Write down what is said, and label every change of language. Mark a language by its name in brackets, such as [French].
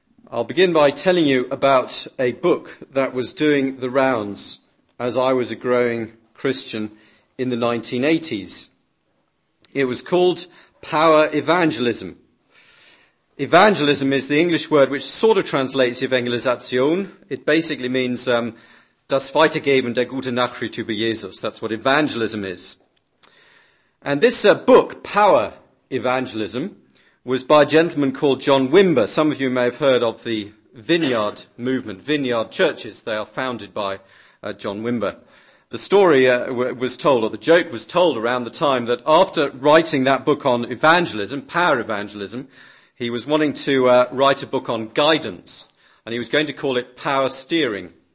[English] I'll begin by telling you about a book that was doing the rounds as I was a growing Christian in the 1980s. It was called Power Evangelism. Evangelism is the English word which sort of translates evangelisation. It basically means [German] das Weitergeben der guten Nachricht über Jesus. [English] That's what evangelism is. And this book, Power Evangelism, was by a gentleman called John Wimber. Some of you may have heard of the Vineyard movement, Vineyard churches. They are founded by John Wimber. The story was told, or the joke was told, around the time that after writing that book on evangelism, Power Evangelism, he was wanting to write a book on guidance, and he was going to call it Power Steering.